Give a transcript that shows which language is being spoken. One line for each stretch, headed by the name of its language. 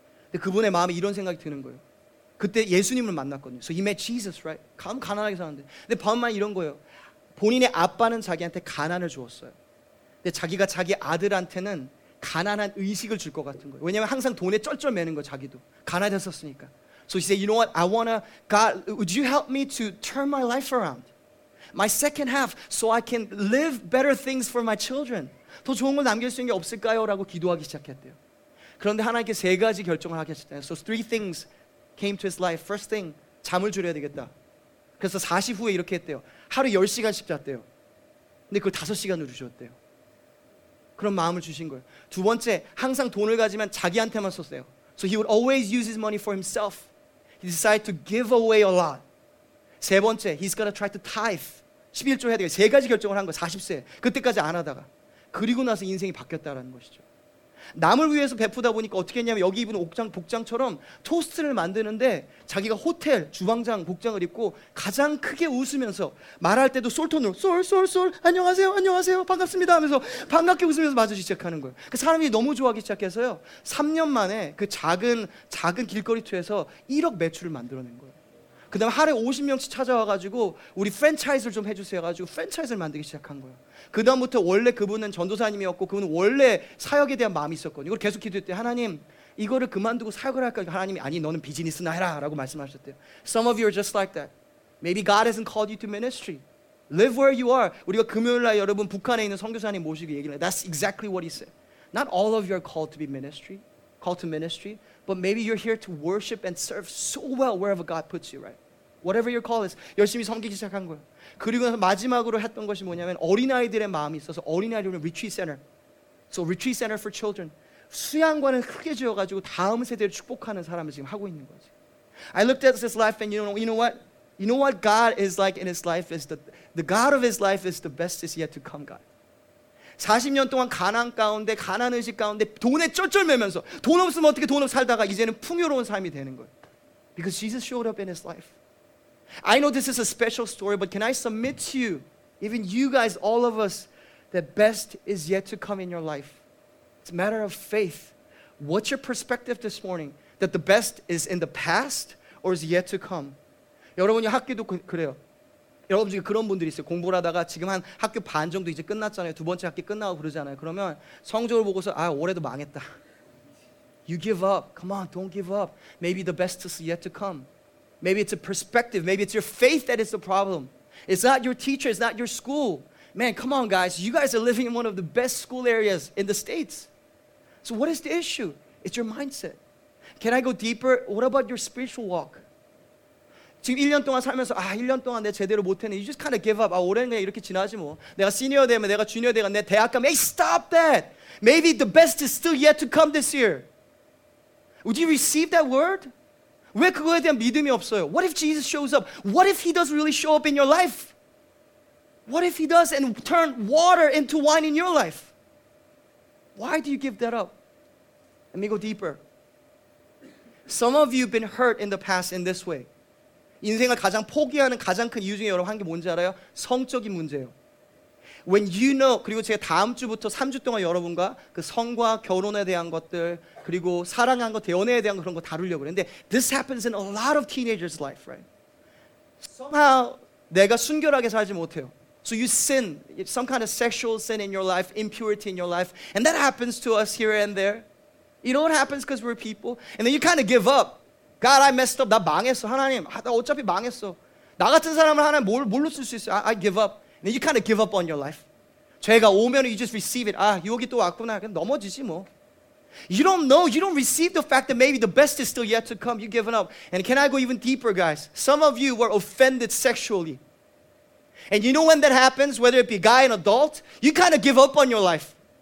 Korean: 근데 그분의 마음에 이런 생각이 드는 거예요. 그때 예수님을 만났거든요.
English: So he met Jesus, right?
Korean: 가면 가난하게 사는데. 근데 반만 이런 거예요. 본인의 아빠는 자기한테 가난을 주었어요. 근데 자기가 자기 아들한테는 가난한 의식을 줄 것 같은 거예요. 왜냐면 항상 돈에 쩔쩔 매는 거 자기도. 가난했었으니까.
English: So he said, you know what? I wanna, God, would you help me to turn my life around? My second half so I can live better things for my children.
Korean: 더 좋은 걸 남길 수 있는 게 없을까요? 라고 기도하기 시작했대요. 그런데 하나님께 세 가지 결정을 하게 됐잖아요.
English: So three things came to his life. First thing,
Korean: 잠을 줄여야 되겠다. 그래서 40 후에 이렇게 했대요. 하루 10시간씩 잤대요. 근데 그걸 5시간으로 주었대요. 그런 마음을 주신 거예요. 두 번째, 항상 돈을 가지면 자기한테만 썼어요.
English: So he would always use his money for himself. He decided to give away a lot.
Korean: 세 번째,
English: he's gonna try to tithe.
Korean: 11조 해야 돼요. 세 가지 결정을 한 거예요. 40세. 그때까지 안 하다가. 그리고 나서 인생이 바뀌었다라는 것이죠. 남을 위해서 베푸다 보니까 어떻게 했냐면 여기 입은 복장처럼 토스트를 만드는데 자기가 호텔 주방장 복장을 입고 가장 크게 웃으면서 말할 때도 솔톤으로 솔솔솔 안녕하세요 안녕하세요 반갑습니다 하면서 반갑게 웃으면서 맞으시기 시작하는 거예요. 그 사람이 너무 좋아하기 시작해서요. 3년 만에 그 작은 길거리투에서 1억 매출을 만들어낸 거예요. 그 다음에 하루에 50명씩 찾아와가지고 우리 프랜차이즈를 좀 해주세요 해가지고 프랜차이즈를 만들기 시작한 거예요. 그 다음부터 원래 그분은 전도사님이었고 그분은 원래 사역에 대한 마음이 있었거든요. 이걸 계속 기도했대요. 하나님 이거를 그만두고 사역을 할까요? 하나님이 아니 너는 비즈니스나 해라 라고 말씀하셨대요.
English: Some of you are just like that. Maybe God hasn't called you to ministry. Live where you are.
Korean: 우리가 금요일날 여러분 북한에 있는 선교사님 모시고 얘기를 해요.
English: That's exactly what he said. Not all of you are called to be ministry. Called to ministry. But maybe you're here to worship and serve so well wherever God puts you, right? Whatever your call is.
Korean: 열심히 섬기기 시작한 거예요. 그리고 마지막으로 했던 것이 뭐냐면 어린아이들의 마음이 있어서 어린아이들은 retreat center.
English: So retreat center for children.
Korean: 수양관을 크게 지어가지고 다음 세대를 축복하는 사람을 지금 하고 있는 거지.
English: I looked at his life and you know what? You know what God is like in his life? Is the God of his life is the best is yet to come, God.
Korean: 40년 동안 가난 가운데, 가난 의식 가운데 돈에 쩔쩔 매면서 돈 없으면 어떻게 돈 없이 살다가 이제는 풍요로운 삶이 되는 거예요.
English: Because Jesus showed up in his life. I know this is a special story, but can I submit to you, even you guys, all of us, that best is yet to come in your life. It's a matter of faith. What's your perspective this morning? That the best is in the past or is yet to come?
Korean: 여러분이 학교도 그래요. 여러분 중에 그런 분들이 있어요. 공부를 하다가 지금 한 학교 반 정도 이제 끝났잖아요. 두 번째 학기 끝나고 그러잖아요. 그러면 성적을 보고서 아 올해도 망했다.
English: You give up. Come on, don't give up. Maybe the best is yet to come. Maybe it's a perspective. Maybe it's your faith that is the problem. It's not your teacher. It's not your school. Man, come on, guys. You guys are living in one of the best school areas in the States. So what is the issue? It's your mindset. Can I go deeper? What about your spiritual walk?
Korean: 지금 1년 동안 살면서 아 1년 동안 내가 제대로 못했네.
English: You just kind of give up.
Korean: 아 올해는 그냥 이렇게 지나지 뭐. 내가 시니어 되면 내가 주니어 되면 내 대학 가면
English: Hey, stop that. Maybe the best is still yet to come this year. Would you receive that word?
Korean: 왜 그거에 대한 믿음이 없어요?
English: What if Jesus shows up? What if he does really show up in your life? What if he does and turn water into wine in your life? Why do you give that up? Let me go deeper. Some of you have been hurt in the past in this way.
Korean: 인생을 가장 포기하는 가장 큰 이유 중에 여러분 한 게 뭔지 알아요? 성적인 문제예요.
English: When you know,
Korean: 그리고 제가 다음 주부터 3주 동안 여러분과 그 성과 결혼에 대한 것들, 그리고 사랑한 것, 연애에 대한 그런 거 다루려고 그러는데
English: this happens in a lot of teenagers' life, right? Somehow,
Korean: 내가 순결하게 살지 못해요.
English: So you sin, some kind of sexual sin in your life, impurity in your life, and that happens to us here and there. You know what happens because we're people? And then you kind of give up. God, I messed up.
Korean: 나 망했어, 하나님. 나 어차피 망했어. 나 같은 사람을 하나님 뭘로 쓸 수 있어요?
English: I give up. And then you kind of give up on your life.
Korean: 죄가 오면
English: you just receive it.
Korean: 아, 여기 또 왔구나. 그냥 넘어지지 뭐.
English: You don't know. You don't receive the fact that maybe the best is still yet to come. You've given up. And can I go even deeper, guys? Some of you were offended sexually. And you know when that happens, whether it be guy and adult, you kind of give up on your life.